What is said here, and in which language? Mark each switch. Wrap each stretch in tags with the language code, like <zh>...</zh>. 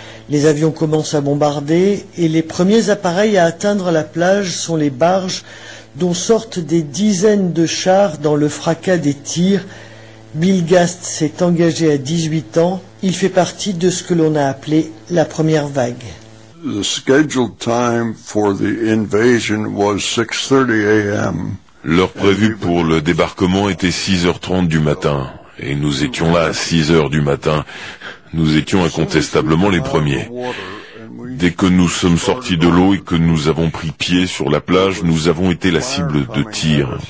<fr>Les avions commencent à bombarder et les premiers appareils à atteindre la plage sont les barges dont sortent des dizaines de chars dans le fracas des tirs. Bill Gast s'est engagé à 18 ans. Il fait partie de ce que l'on a appelé la première vague.</fr> <en>The scheduled time for the invasion was 6:30 a.m.</en> <fr>L'heure prévue pour le débarquement était 6h30 du matin. Et nous étions là à 6h du matin. Nous étions incontestablement les premiers. Dès que nous sommes sortis de l'eau et que nous avons pris pied sur la plage, nous avons été la cible de tirs.</fr>